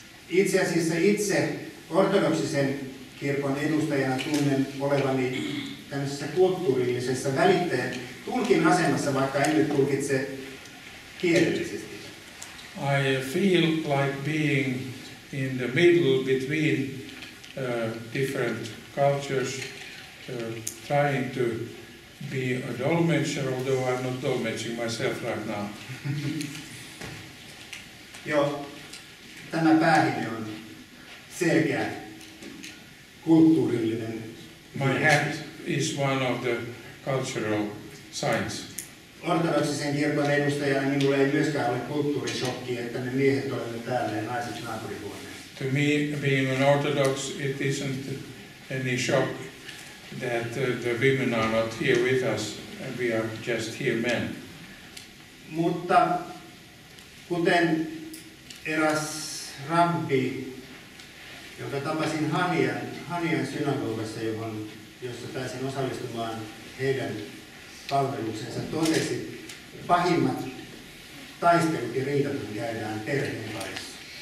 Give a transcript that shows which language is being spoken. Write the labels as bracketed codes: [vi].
[fi] Itse asiassa itse ortodoksisen kirkon edustajana tunnen olevani tämmöisessä kulttuurillisessa välittäjän tulkin asemassa, vaikka en nyt tulkitse kielellisesti. [en] I feel like being in the middle between different cultures, trying to be a dolmetscher, although I'm not dolmetsching myself right now. [fi] Joo. Tämä päähine on selkeä kulttuurillinen. [en] My hat is one of the cultural signs. [fi] Ortodoksisen kirkon edustajana minulle ei myöskään ole kulttuurishokki, että ne miehet olemme täällä ja naiset naapurihuoneessa. [en] To me, being an Orthodox, it isn't any shock that the women are not here with us and we are just here men. [fi] Mutta kuten eräs rabbi, jonka tapasin Hanian synagogassa, jossa pääsin osallistumaan heidän palveluksensa, totesi, pahimmat taistelut ja riidat käydään perheen parissa.